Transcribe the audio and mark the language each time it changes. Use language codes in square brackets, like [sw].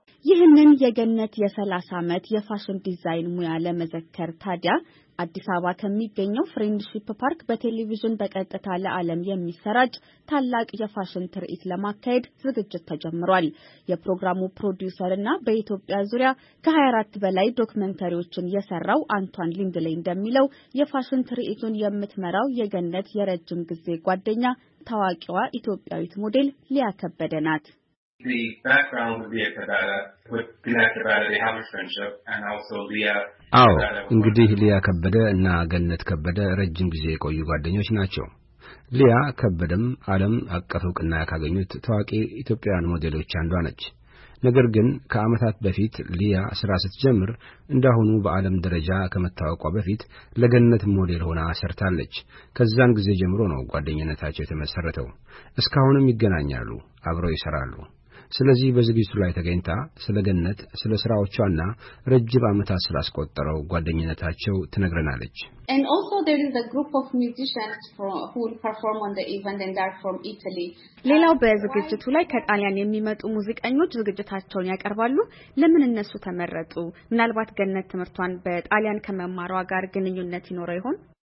[am] ይህንን የገነት የሰላሳ ዓመት የፋሽን ዲዛይን ሙያ ለመዘከር ታዲያ አዲስ አበባ ከሚገኘው ፍሬንድሺፕ ፓርክ በቴሌቪዥን በቀጥታ ለዓለም የሚሰራጭ ታላቅ የፋሽን ትርኢት ለማካሄድ ዝግጅት ተጀምሯል። የፕሮግራሙ ፕሮዲውሰርና በኢትዮጵያ ዙሪያ ከ24 በላይ ዶክመንተሪዎችን የሰራው አንቷን ሊንድሌይ እንደሚለው የፋሽን ትርኢቱን የምትመራው የገነት የረጅም ጊዜ ጓደኛ ታዋቂዋ ኢትዮጵያዊት ሞዴል ሊያ ከበደ ናት። [en] The background of Leah Kabada with Gannett Kabada, they have a friendship, and also Leah. [am] አዎ እንግዲህ ሊያ ከበደ እና ገነት ከበደ ረጅም ጊዜ የቆዩ ጓደኞች ናቸው። ሊያ ከበደም ዓለም አቀፍ እውቅና ያካገኙት ታዋቂ ኢትዮጵያውያን ሞዴሎች አንዷ ነች። ነገር ግን ከአመታት በፊት ሊያ ስራ ስትጀምር እንደሆነ በዓለም ደረጃ ከመታወቋ በፊት ለገነት ሞዴል ሆና አሰርታለች። ከዛን ጊዜ ጀምሮ ነው ጓደኝነታቸው የተመሰረተው። እስካሁንም ይገናኛሉ፣ አብረው ይሰራሉ። ስለዚህ በዝግጅቱ ላይ ተገኝታ ስለ ገነት ስለ ስራዎቿና ረጅም አመታት ስላስቆጠረው ጓደኝነታቸው ትነግረናለች። [en] And also there is a group of musicians who will perform on the event and they're from Italy. [am] ሌላው በዝግጅቱ ላይ ከጣሊያን የሚመጡ ሙዚቀኞች ዝግጅታቸውን ያቀርባሉ። ለምን እነሱ ተመረጡ? ምናልባት ገነት ትምርቷን በጣሊያን ከመማሯ ጋር ግንኙነት ይኖረው ይሆን?